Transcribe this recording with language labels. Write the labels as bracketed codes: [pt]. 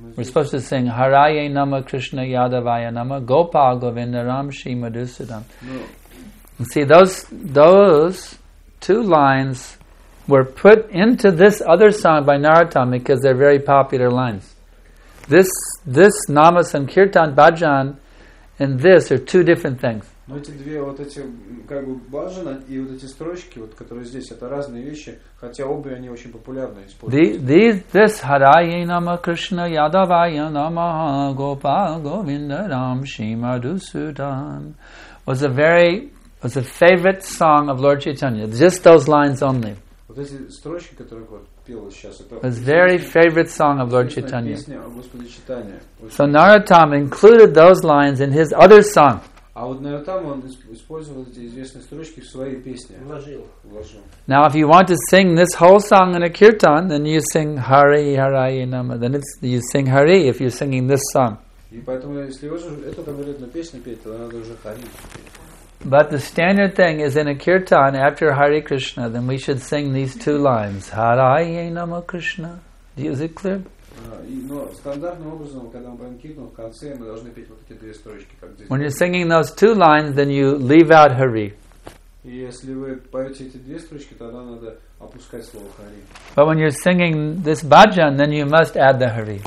[en] We're supposed to sing Haraye Namah Krishna Yadavaya Namah Gopal Govinda Ram Shri Madhusudam. No. See, those two lines were put into this other song by Narottam because they're very popular lines. This Nama Sankirtan Bhajan and this are two different things. [ru] Но эти две вот эти как бы баджан и вот эти строчки вот которые здесь это разные вещи, хотя обе они очень популярно используются. [en] This Haraye Nama Krishna Yadavaya Namaha Gopal Govinda Ram Shri Madhusudan was a favorite song of Lord Chaitanya. Just those lines only. [ru] Вот эти строчки, которые вот пел сейчас, это [en] his very favorite song of Lord Chaitanya. [ru] Песня о Господе Читания. [en] So Narottam included those lines in his other song. [ru] А вот Нарутам он использовал эти известные строчки в своей песне. Вложил. [en] Now, if you want to sing this whole song in a kirtan, then you sing Hari Haraye Namah. Then you sing Hari if you're singing this song. [ru] И поэтому, если вы эту конкретную песню петь, то надо уже Хари. [en] But the standard thing is in a kirtan after Hari Krishna, then we should sing these two lines: Haraye Namah Krishna. Is it clear? [ru] Но стандартным образом, когда мы поем кирту, в конце мы должны петь вот эти две строчки, как здесь. [en] When you're singing those two lines, then you leave out Hari. [ru] Если вы поете эти две строчки, тогда надо опускать слово Hari. [en] But when you're singing this bhajan, then you must add the Hari.